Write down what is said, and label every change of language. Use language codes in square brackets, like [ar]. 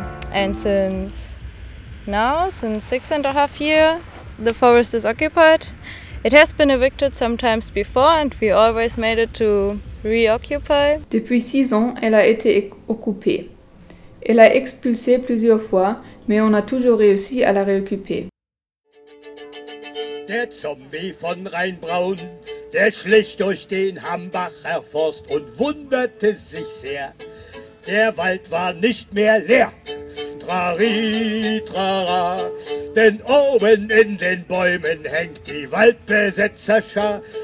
[en] And since 6.5 years, the forest is occupied, It has been evicted sometimes before and we always made it to reoccupy. [fr] Depuis 6 ans, elle a été occupée. Elle a expulsé plusieurs fois, mais on a toujours réussi à la réoccuper. [de] Der Zombie von Rheinbraun, der schlich durch den Hambacher Forst und wunderte sich sehr. Der Wald war nicht mehr leer. Trari, trara, denn oben in den Bäumen hängt die Waldbesetzerschar.